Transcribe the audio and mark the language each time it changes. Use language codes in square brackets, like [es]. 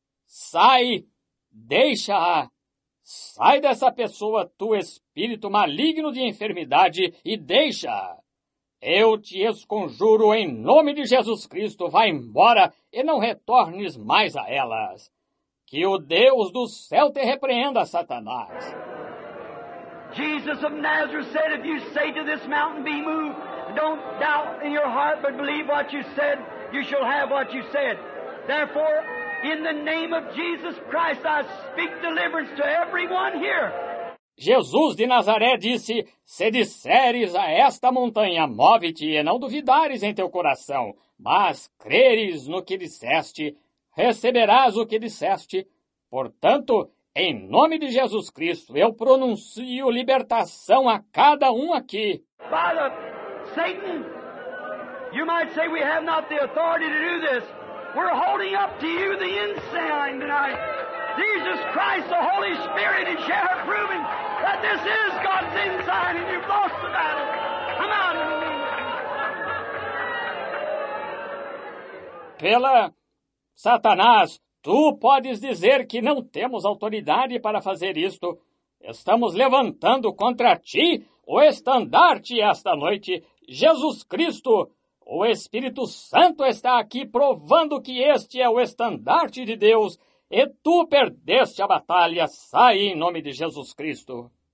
[pt] Sai, deixa-a. Sai dessa pessoa, tu espírito maligno de enfermidade, e deixa-a. Eu te esconjuro em nome de Jesus Cristo, vai embora e não retornes mais a elas. Que o Deus do céu te repreenda, Satanás. [en] Jesus of Nazareth said, if you say to this mountain be moved, don't doubt in your heart, but believe what you said, you shall have what you said. Therefore, in the name of Jesus Christ, I speak deliverance to everyone here. [pt] Jesus de Nazaré disse, se disseres a esta montanha, move-te, e não duvidares em teu coração, mas creres no que disseste, receberás o que disseste. Portanto, em nome de Jesus Cristo, eu pronuncio libertação a cada um aqui. [en] Father, Satan, you might say we have not the authority to do this. We're holding up to you the insane tonight. Jesus Christ, the Holy Spirit, is here proving that this is God's inside and you've lost the battle. Come out of me. [pt] Pela Satanás, tu podes dizer que não temos autoridade para fazer isto. Estamos levantando contra ti o estandarte esta noite. Jesus Cristo, o Espírito Santo está aqui provando que este é o estandarte de Deus. E tu perdeste a batalha, sai em nome de Jesus Cristo.